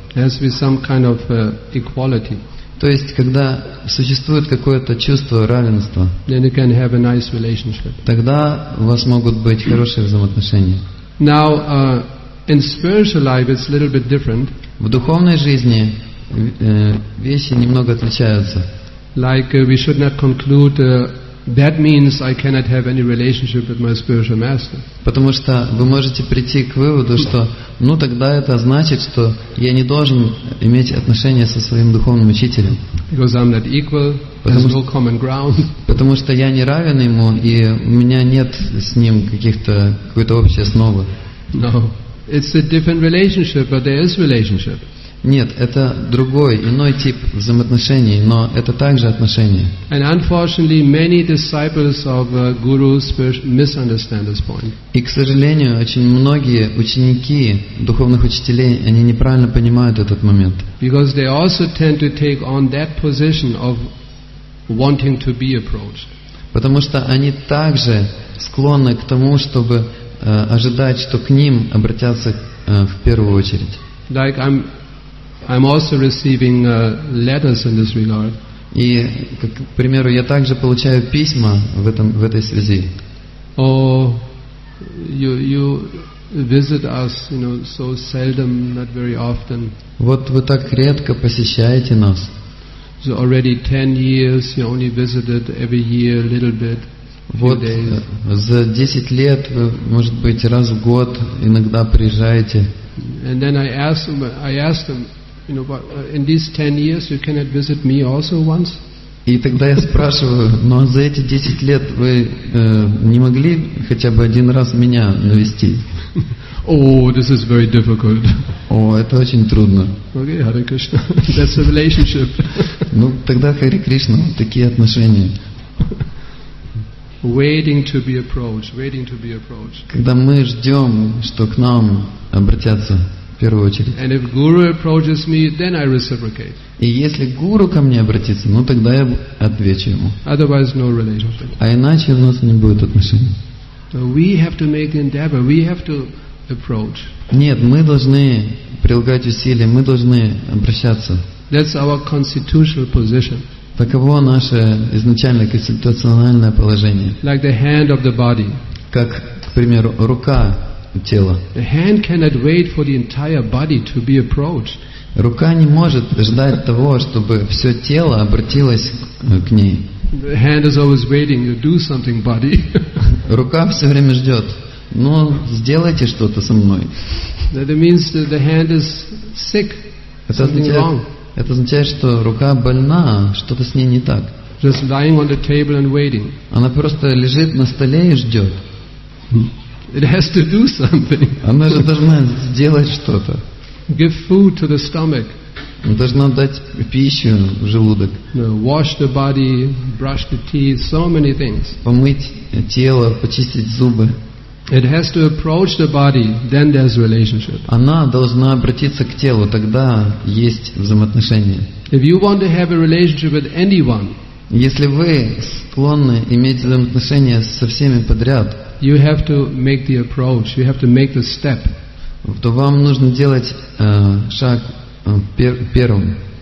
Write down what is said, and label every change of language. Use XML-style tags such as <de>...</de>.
<en>Has to be some kind of equality.</en> <ru>То есть, когда существует какое-то чувство равенства,</ru> <en>then you can have a nice relationship.</en> <ru>Тогда у вас могут быть хорошие взаимоотношения.</ru> <en>Now, in spiritual life, it's a little bit different.</en> <ru>В духовной жизни вещи немного отличаются.</ru> <en>Like, we should not conclude that means I cannot have any relationship with my spiritual master.</en> <ru>Потому что вы можете прийти к выводу, что ну тогда это значит, что я не должен иметь отношения со своим духовным учителем.</ru> <en>Because I'm not equal, there's no common ground.</en> <ru>Потому что я не равен ему, и у меня нет с ним какой-то общей основы.</ru> <en>No, it's a different relationship, but there is relationship.</en> <ru>Нет, это другой, иной тип взаимоотношений, но это также отношения.</ru> <en>And unfortunately, many disciples of gurus misunderstand this point.</en> <ru>И, к сожалению, очень многие ученики духовных учителей, они неправильно понимают этот момент.</ru> <en>Because they also tend to take on that position of wanting to be approached.</en> <ru>Потому что они также склонны к тому, чтобы ожидать, что к ним обратятся в первую очередь.</ru> <en>Like I'm also receiving letters in this regard.</en> <ru>И, как, к примеру, я также получаю письма в этой связи.</ru> <en>Oh, you visit us, you know, so seldom, not very often.</en> <ru>Вот вы так редко посещаете нас.</ru> <en>So already 10 years, you only visited every year a little bit.</en> <ru>Вот за 10 лет вы, может быть, раз в год иногда приезжаете.</ru> <en>And then I asked them. You know, but in these 10 years, you cannot visit me also once.</en> <ru>И тогда я спрашиваю, но за эти 10 лет вы не могли хотя бы один раз меня навести?</ru> <en>Oh, this is very difficult.</en> <ru>О, это очень трудно.</ru> <en>Okay, Hare Krishna, that's a relationship.</en> <ru>Ну тогда Hare Krishna, такие отношения.</ru> <en>Waiting to be approached. Waiting to be approached.</en> <ru>Когда мы ждем, что к нам обратятся.</ru> <en>And if guru approaches me, then I reciprocate.</en> <ru>И если гуру ко мне обратится, ну тогда я отвечу ему.</ru> <en>Otherwise, no relationship.</en> <ru>А иначе у нас не будет отношений.</ru> <en>So we have to make the endeavor. We have to approach.</en> <ru>Нет, мы должны прилагать усилия. Мы должны обращаться.</ru> <en>That's our constitutional position.</en> <ru>Таково наше изначальное конституциональное положение.</ru> <en>Like the hand of the body.</en> <ru>Как, к примеру, рука. Тело.</ru> <en>The hand cannot wait for the entire body to be approached.</en> <ru>Рука не может ждать того, чтобы все тело обратилось к ней.</ru> <en>The hand is always waiting. You do something, body.</en> <ru>Рука все время ждет. Ну, сделайте что-то со мной.</ru> <en>That means that the hand is sick. Something wrong.</en> <ru>Это означает, что рука больна, что-то с ней не так.</ru> <en>Just lying on the table and waiting.</en> <ru>Она просто лежит на столе и ждет.</ru> <en>It has to do something.</en> <ru>Она же должна сделать что-то.</ru> <en>Give food to the stomach.</en> <ru>Должна дать пищу в желудок.</ru> <en>Wash the body, brush the teeth, so many things.</en> <ru>Помыть тело, почистить зубы.</ru> <en>It has to approach the body, then there's relationship.</en> <ru>Она должна обратиться к телу, тогда есть взаимоотношения.</ru> <en>If you want to have a relationship with anyone,</en> <ru>Если вы склонны иметь взаимоотношения со всеми подряд, you have to make the approach, you have to make the step. То вам нужно делать шаг первым.</ru>